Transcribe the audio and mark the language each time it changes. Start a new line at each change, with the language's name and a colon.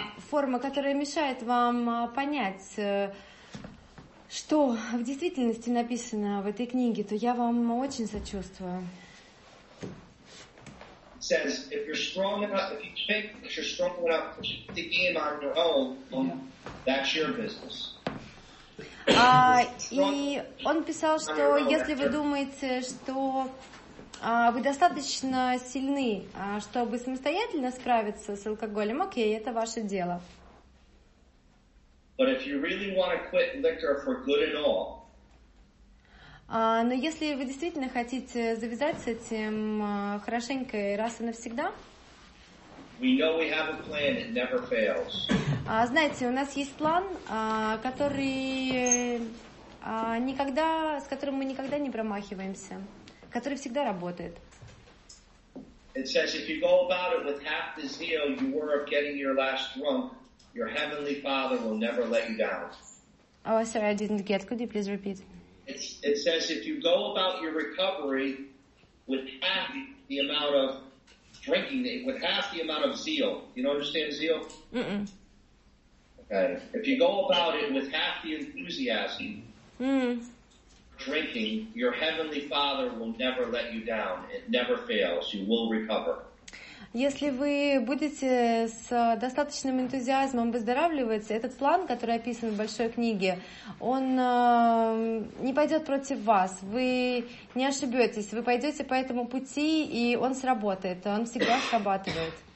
Russian: Форма, которая мешает вам понять, что в действительности написано в этой книге, то я вам очень сочувствую.
English: It says, if you're strong enough, if you think that you're strong enough to keep the game on your own, that's your business.
Russian: И он писал, что если вы думаете, что вы достаточно сильны, чтобы самостоятельно справиться с алкоголем, окей, это ваше дело.
English: But if you really want to quit liquor for good and all,
Russian: но если вы действительно хотите завязать с этим хорошенько и раз и навсегда,
English: we know we have a plan that never fails.
Russian: Знаете, у нас есть план, который никогда, с которым мы никогда не промахиваемся, который всегда работает.
English: It says if you go about it with half the zeal you were of getting your last drunk, your heavenly Father will never let you down. Oh, sorry, I didn't get. Could you please repeat? It says if you go about your recovery with half the amount of drinking, with half the amount of zeal, you don't understand zeal? Mm-mm. Okay. If you go about it with half the enthusiasm, drinking, your heavenly Father will never let you down. It never fails. You will recover.
Russian: Если вы будете с достаточным энтузиазмом выздоравливать, этот план, который описан в большой книге, он не пойдет против вас. Вы не ошибетесь, вы пойдете по этому пути, и он сработает, он всегда срабатывает.